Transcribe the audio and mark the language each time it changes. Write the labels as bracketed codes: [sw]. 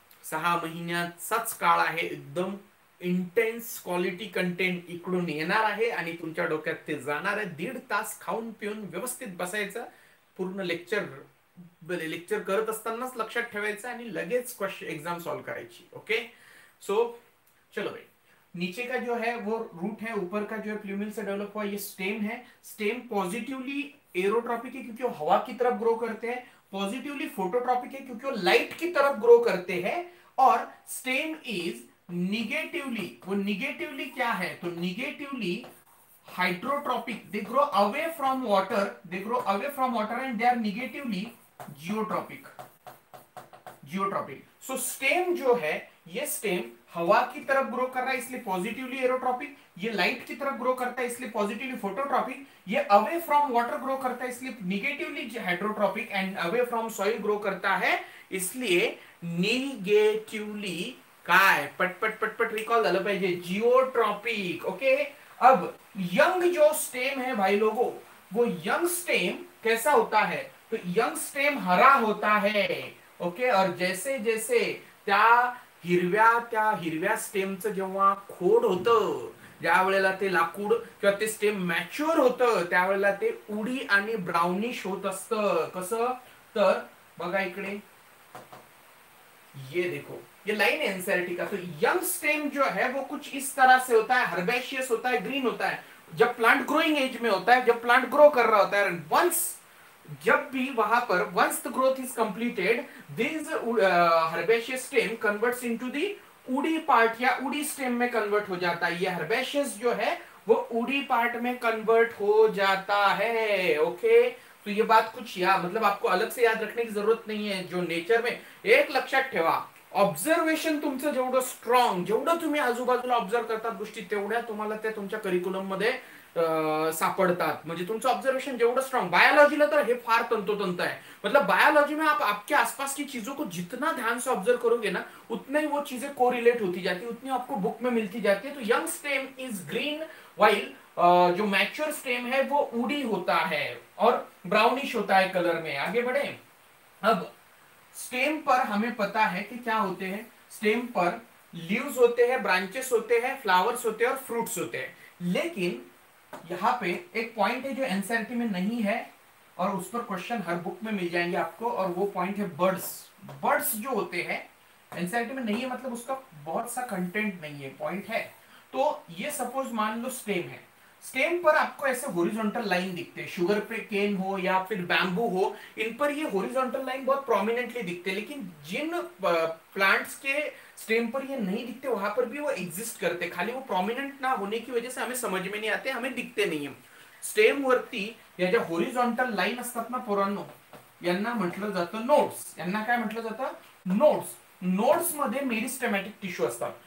[mr] सहा महिन्याचाच काळ आहे, एकदम इंटेन्स क्वालिटी कंटेंट इकडून येणार आहे आणि तुमच्या डोक्यात ते जाणार आहे। 1.5 तास खाऊन पिऊन व्यवस्थित बसायचं, पूर्ण लेक्चर करत असतानाच लक्षात ठेवायचं आणि लगेच क्वेश्चन एक्झाम सॉल्व्ह करायची। [hi] ओके, सो चलो भाई, नीचे का जो है वो रूट है, ऊपर का जो है प्लूम्यूल से डेवलप हुआ, ये स्टेम है। स्टेम पॉजिटिवली एरोट्रॉपिक है क्योंकि वो हवा की तरफ ग्रो करते हैं, पॉजिटिवली फोटोट्रॉपिक है क्योंकि वो लाइट की तरफ ग्रो करते हैं, और स्टेम इज निगेटिवली, वो निगेटिवली क्या है, तो negatively hydrotropic, [en] they grow away from water, they grow away from water and they are negatively geotropic, [hi] geotropic. So stem जो है ये स्टेम हवा की तरफ ग्रो कर रहा है इसलिए पॉजिटिवली एरोट्रॉपिक, ये लाइट की तरफ ग्रो करता है इसलिए पॉजिटिवली फोटोट्रॉपिक, ये अवे फ्रॉम वाटर ग्रो करता है इसलिए negatively hydrotropic, and away from soil grow करता है इसलिए निगेटिवली [mr] काय, पटपट पटपट रिकॉल झालं पाहिजे, [hi] जिओट्रॉपिक। ओके, अब यंग जो स्टेम है भाई लोगो, वो यंग स्टेम कैसा होता है, तो यंग स्टेम हरा होता है। [mr] ओके, और जैसे जैसे त्या हिरव्या स्टेमचं जेव्हा खोड होतं, ज्या वेळेला ते लाकूड किंवा ते स्टेम मॅच्युअर होतं, त्यावेळेला ते उडी आणि ब्राउनिश होत असत। कसं, तर बघा इकडे, [hi] ये देखो, ये लाइन है एनसीईआरटी का। तो यंग स्टेम जो है वो कुछ इस तरह से होता है, हर्बेशियस होता है, ग्रीन होता है, जब प्लांट ग्रोइंग एज में होता है, जब प्लांट ग्रो कर रहा होता है, एंड वंस, जब भी वहां पर [en] once the growth is completed, this herbaceous stem converts into the woody part, [hi] या उडी स्टेम में कन्वर्ट हो जाता है। ये हर्बेशियस जो है वो उडी पार्ट में कन्वर्ट हो जाता है। ओके, तो ये बात कुछ, या मतलब आपको अलग से याद रखने की जरूरत नहीं है, जो नेचर में एक [mr] लक्ष्य ठेवा, ऑब्जर्वेशन तुमचं जेवढं स्ट्रॉंग, जेवढं तुम्ही आजूबाजूला ऑब्जर्व करतात गोष्टी, तेवढ्या तुम्हाला त्या तुमच्या करिक्युलम मध्ये सापडतात. म्हणजे तुमचं ऑब्जर्वेशन जेवढं स्ट्रॉंग, बायोलॉजीला तर हे फार तंतोतंत आहे. [hi] मतलब बायोलॉजी में आप आपके आसपास की चीजों को जितना ध्यान से ऑब्जर्व करोगे ना, उतना ही वो चीजें कोरिलेट होती जाती है, उतनी आपको बुक में मिलती जाती है. तो [en] young stem is green, [hi] while जो मैच्योर स्टेम है वो उडी होता है और ब्राउनिश होता है कलर में. आगे बढ़े. अब स्टेम पर हमें पता है कि क्या होते हैं. स्टेम पर लीव्स होते हैं, ब्रांचेस होते हैं, फ्लावर्स होते हैं और फ्रूट्स होते हैं. लेकिन यहाँ पे एक पॉइंट है जो एनसीईआरटी में नहीं है और उस पर क्वेश्चन हर बुक में मिल जाएंगे आपको, और वो पॉइंट है बर्ड्स. बर्ड्स जो होते हैं एनसीईआरटी में नहीं है, मतलब उसका बहुत सा कंटेंट नहीं है, पॉइंट है. तो ये सपोज मान लो स्टेम है, स्टेम पर आपको ऐसे हॉरिजॉन्टल लाइन दिखते हैं, शुगर पे केन हो या फिर बैम्बू हो, इन पर ये हॉरिजॉन्टल लाइन बहुत प्रोमिनेंटली दिखते हैं. लेकिन जिन प्लांट्स के स्टेम पर ये नहीं दिखते, वहां पर भी वो एग्जिस्ट करते, खाली वो प्रोमिनेंट ना होने की वजह से हमें समझ में नहीं आते, हमें दिखते नहीं है. [mr] स्टेम वरती या ज्या हॉरिजॉन्टल लाइन असतात ना पोरांनो, यांना म्हटलं जातं नोड्स. यांना काय म्हटलं जातं? नोड्स. नोड्स मध्ये मेरिस्टेमॅटिक टिश्यू असतात.